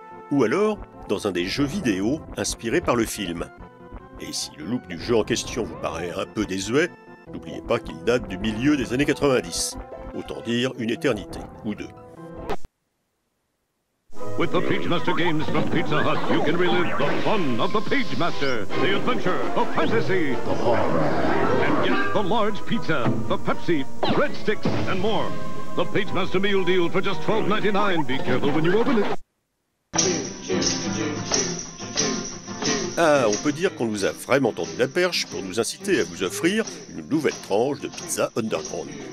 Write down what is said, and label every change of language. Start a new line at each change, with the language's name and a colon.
French: Ou alors, dans un des jeux vidéo inspirés par le film. Et si le look du jeu en question vous paraît un peu désuet, n'oubliez pas qu'il date du milieu des années 90. Autant dire une éternité, ou deux.
English: With the Pagemaster games from Pizza Hut, you can relive the fun of the Pagemaster, the adventure, the fantasy, the horror, and get the large pizza, the Pepsi, breadsticks, and more. The Pagemaster meal deal for just $12.99. Be careful when you open it.
French: Ah, on peut dire qu'on nous a vraiment tendu la perche pour nous inciter à vous offrir une nouvelle tranche de pizza underground.